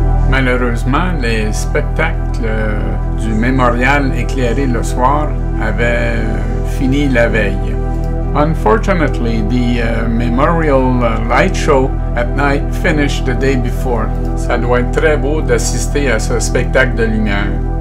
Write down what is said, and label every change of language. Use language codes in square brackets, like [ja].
[fr] Malheureusement, les spectacles du mémorial éclairé le soir avaient fini la veille. [en] Unfortunately, the memorial light show at night finished the day before. [fr] Ça doit être très beau d'assister à ce spectacle de lumière.